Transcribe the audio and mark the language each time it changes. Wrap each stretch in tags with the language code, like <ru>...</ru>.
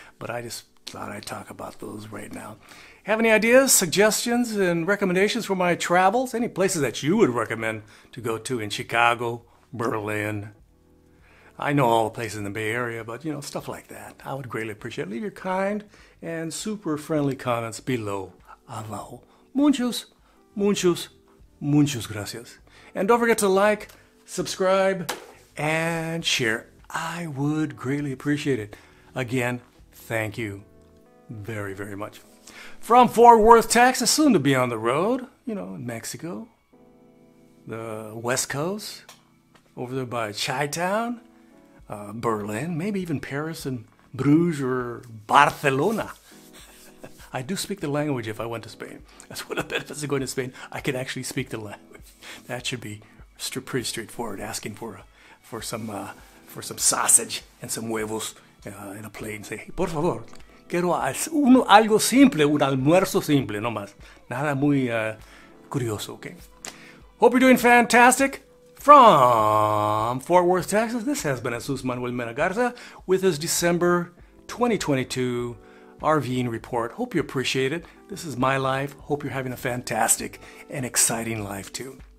<en>But I just thought I'd talk about those right now. Have any ideas, suggestions, and recommendations for my travels? Any places that you would recommend to go to in Chicago, Berlin? I know all the places in the Bay Area, but, you know, stuff like that. I would greatly appreciate it. Leave your kind and super friendly comments below.</en> <es>Abajo. Muchos, muchos, muchos gracias.</es> <en>And don't forget to like, subscribe, and share. I would greatly appreciate it. Again, thank you very, very much. From Fort Worth, Texas, soon to be on the road, you know, in Mexico, the West Coast, over there by Chi-Town, Berlin, maybe even Paris and Bruges or Barcelona. I do speak the language if I went to Spain. That's one of the benefits of going to Spain. I could actually speak the language. That should be pretty straightforward, asking for some sausage and some huevos in a plate and say, hey,</en> <es>por favor. Quiero algo simple, un almuerzo simple, no más. Nada muy curioso, okay?</es> <en>Hope you're doing fantastic. From Fort Worth, Texas, this has been Jesus Manuel Mena Garza with his December 2022 RVing report. Hope you appreciate it. This is my life. Hope you're having a fantastic and exciting life, too.</en>